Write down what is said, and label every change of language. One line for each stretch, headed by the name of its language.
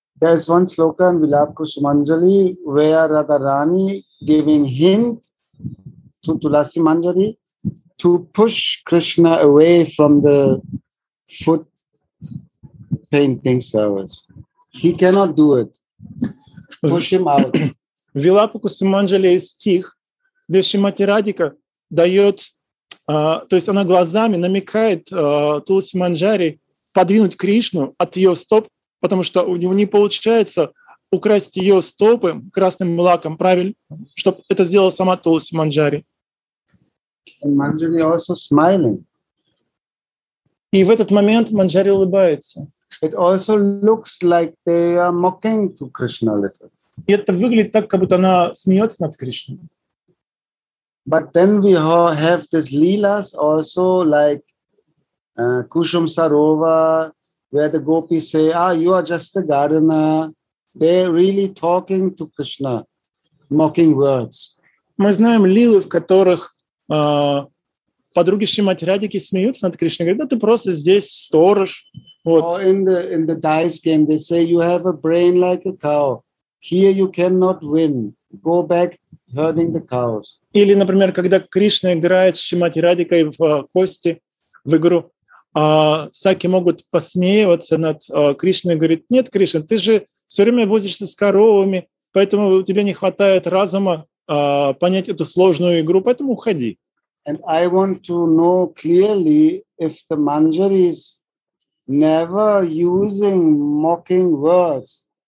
English: There's one sloka in Vilapku Sumanjali where the Rani giving hint to Tulasi Manjari to push Krishna away from the foot painting service. He cannot do it. Push him out.
Russian: Vilapku Sumanjali is stih, где Шримати Радика дает, то есть она глазами намекает Туласи Манджари подвинуть Кришну от ее стоп, потому что у него не получается украсть ее стопы красным лаком, правильно, чтобы это сделала сама Туласи Манджари.
English: Манджари also smiling.
Russian: И в этот момент Манджари улыбается.
English: It also looks like they are mocking to Krishna a little.
Russian: И это выглядит так, как будто она смеется над Кришной.
English: But then we have this leelas also like Kushum Sarova, where the gopis say, ah, you are just a gardener. They're really talking to Krishna, mocking words.
Russian: Мы знаем лилы, в которых подруги Шримати Радики смеются над Кришной, говорят, да ты просто здесь сторож. Вот.
English: Or in the dice game, they say, you have a brain like a cow. Here you cannot win. Go back herding the cows.
Russian: Или, например, когда Кришна играет с Шримати Радикой в кости, в игру, саки могут посмеиваться над Кришной и говорит, нет, Кришна, ты же все время возишься с коровами, поэтому у тебя не хватает разума понять эту сложную игру, поэтому уходи.
English: And I want to know clearly if the Manjari is never using mocking words.